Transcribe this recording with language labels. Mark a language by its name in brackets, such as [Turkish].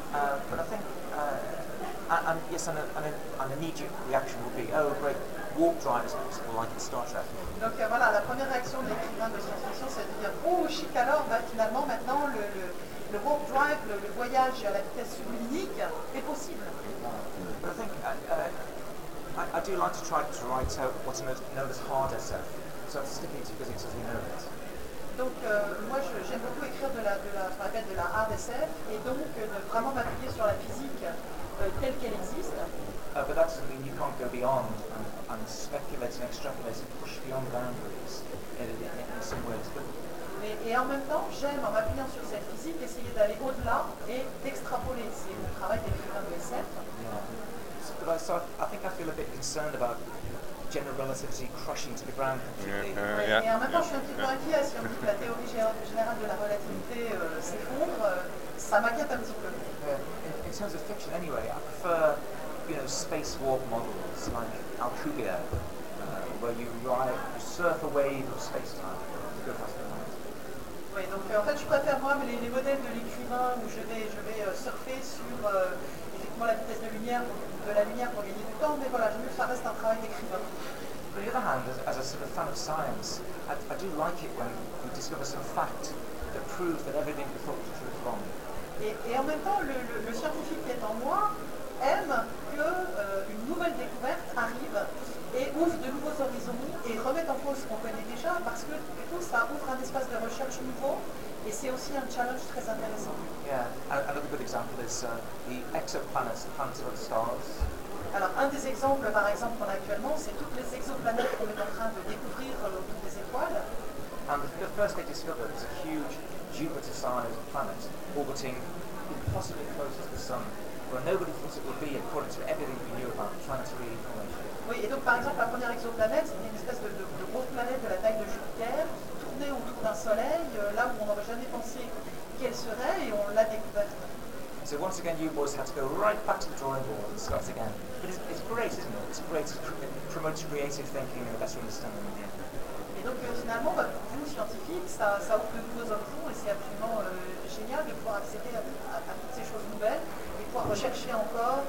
[English] But I think, an immediate reaction would be, oh, great, warp drive is possible, like in Star Trek. [French] Donc voilà, la première réaction de l'écrivain de science-fiction, c'est de dire, oh, chic alors, finalement, maintenant, le warp drive, le voyage à la vitesse sublimique, est possible. [English] But I think I do like to try to write out what's known as hard SF. So it's sticky to physics as we know it. [French] Donc j'aime beaucoup écrire de la hard SF et donc vraiment m'appuyer sur la physique telle qu'elle existe. [English] But that doesn't mean you can't go beyond and speculate and extrapolate and push beyond boundaries in some ways. [French] Et en même temps, j'aime en m'appuyant sur cette physique essayer d'aller au-delà et d'extrapoler. C'est le travail d'écrivain de SF. [English] I think I feel a bit concerned about general relativity crushing to the ground completely. [French] Et en même temps, je suis un petit peu inquiet si on dit que la théorie générale de la relativité s'effondre, ça m'inquiète un petit peu. [English] In terms of fiction, anyway, I prefer, you know, space warp models like Alcubierre, where you surf a wave of space time. [French] Oui, donc en fait, je préfère moi les modèles de l'écrivain où je vais surfer sur effectivement la vitesse de la lumière pour gagner du temps, mais voilà, je veux que ça reste un travail d'écrivain. [English] On the other hand, as a sort of fan of science, I do like it when you discover some fact that proves that everything you thought was true is wrong. [French] Et en même temps, le scientifique qui est en moi aime que une nouvelle découverte arrive et ouvre de nouveaux horizons et remet en cause ce qu'on connaît déjà, parce que du coup, ça ouvre un espace de recherche nouveau et c'est aussi un challenge très intéressant. [English] Yeah, another good example is the exoplanets, the planets of the stars. [French] Alors, un des exemples, par exemple, qu'on a actuellement, c'est toutes les exoplanètes qu'on est en train de découvrir autour des étoiles. [English] And the first they discovered is a huge Jupiter-sized planet orbiting impossibly close to the Sun, where nobody thought it would be according to everything we knew about planetary formation. [French] Oui, et donc, par exemple, la première exoplanète, c'est une espèce de grosse planète de la taille de Jupiter, tournée autour d'un soleil, là où on n'aurait jamais pensé qu'elle serait, et on l'a découverte. [English] So once again, you boys had to go right back to the drawing board and start again. But it's great, isn't it? It's great. It promotes creative thinking and a better understanding of the end. [French] Et donc finalement, vous scientifiques, ça ouvre de nouveaux horizons et c'est absolument génial de pouvoir accéder à toutes ces choses nouvelles et pouvoir rechercher encore.